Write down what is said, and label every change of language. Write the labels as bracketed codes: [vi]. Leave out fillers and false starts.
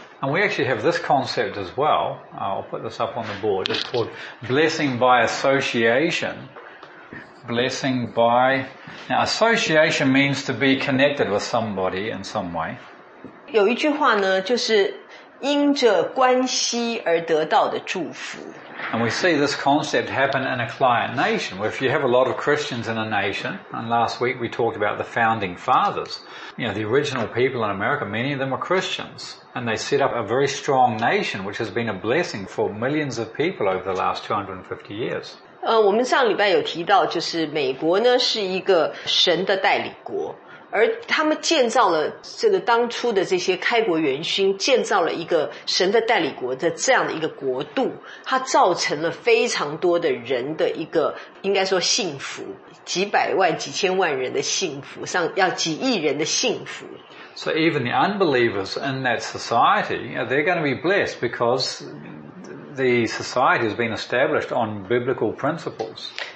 [en] And we actually have this concept as well. I'll put this up on the board. It's called blessing by association. Blessing by... Now, association means to be connected with somebody in some way. [zh] 有一句话呢，就是因着关系而得到的祝福。 [en] And we see this concept happen in a client nation, where if you have a lot of Christians in a nation, and last week we talked about the founding fathers, you know, the original people in America, many of them were Christians, and they set up a very strong nation, which has been a blessing for millions of people over the last 250 years. [zh] 我们上礼拜有提到，就是美国呢是一个神的代理国，而他们建造了这个当初的这些开国元勋建造了一个神的代理国的这样的一个国度，它造成了非常多的人的一个应该说幸福，几百万几千万人的幸福，上要几亿人的幸福。 [en] So even the unbelievers in that society, they're going to be blessed because the society has been established on biblical principles.